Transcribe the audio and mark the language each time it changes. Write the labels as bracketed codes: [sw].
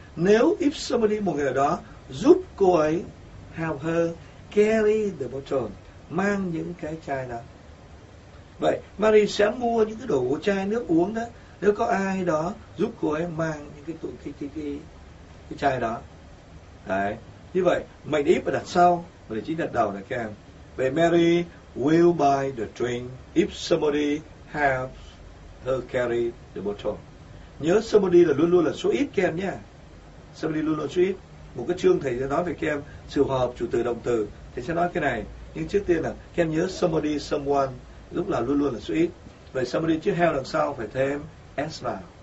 [vi] Nếu if somebody, một người đó, giúp cô ấy [en] help her carry the bottle, [vi] mang những cái chai đó. Vậy, Mary sẽ mua những cái đồ chai nước uống đó, nếu có ai đó giúp cô ấy mang những cái chai đó. Đấy. Như vậy, mệnh if đặt sau, mệnh chính đặt đầu này các em. [en] Vậy Mary will buy the drink if somebody helps her carry the bottle. [vi] Nhớ somebody là luôn luôn là số ít các em nhé. Somebody luôn luôn số ít. Một cái chương thầy sẽ nói về các em, sự hòa hợp chủ từ động từ. Thầy sẽ nói cái này. Nhưng trước tiên là các em nhớ somebody, someone, lúc là luôn luôn là số ít. Vậy somebody chứ help đằng sau phải thêm S vào.